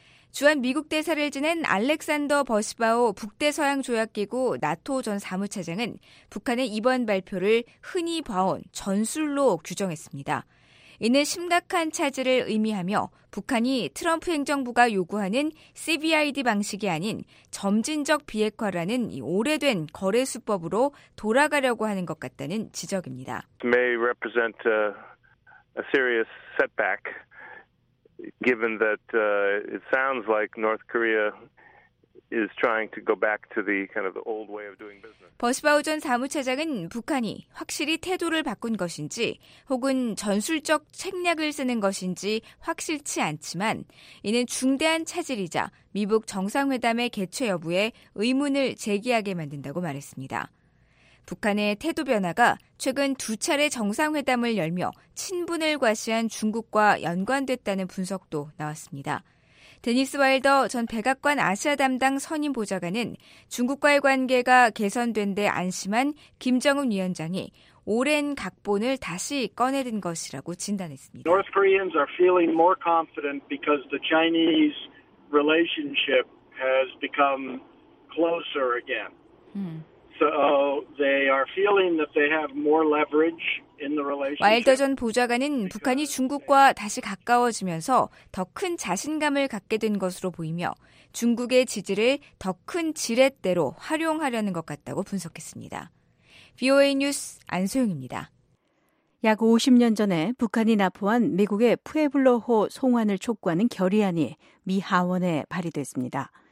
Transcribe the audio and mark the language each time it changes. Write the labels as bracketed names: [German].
[Korean] 주한 미국 대사를 지낸 알렉산더 버시바오 북대서양조약기구 나토 전 사무차장은 북한의 이번 발표를 흔히 봐온 전술로 규정했습니다. 이는 심각한 차질을 의미하며 북한이 트럼프 행정부가 요구하는 CBID 방식이 아닌 점진적 비핵화라는 이 오래된 거래 수법으로 돌아가려고 하는 것 같다는 지적입니다. [English] May represent a serious setback given that it sounds like North Korea is trying to go back to the kind of the old way of doing business. [Korean] 버시바우 전 사무차장은 북한이 확실히 태도를 바꾼 것인지 혹은 전술적 책략을 쓰는 것인지 확실치 않지만 이는 중대한 차질이자 미북 정상회담의 개최 여부에 의문을 제기하게 만든다고 말했습니다. 북한의 태도 변화가 최근 두 차례 정상회담을 열며 친분을 과시한 중국과 연관됐다는 분석도 나왔습니다. 데니스 와일더 전 백악관 아시아 담당 선임 보좌관은 중국과의 관계가 개선된 데 안심한 김정은 위원장이 오랜 각본을 다시 꺼내든 것이라고 진단했습니다. [English] North Koreans are feeling more confident because the Chinese relationship has become closer again. So they are feeling that they have more leverage. [Korean] 와일더 전 보좌관은 북한이 중국과 다시 가까워지면서 더 큰 자신감을 갖게 된 것으로 보이며 중국의 지지를 더 큰 지렛대로 활용하려는 것 같다고 분석했습니다. VOA 뉴스 안소영입니다. 약 50년 전에 북한이 나포한 미국의 푸에블로호 송환을 촉구하는 결의안이 미 하원에 발의됐습니다.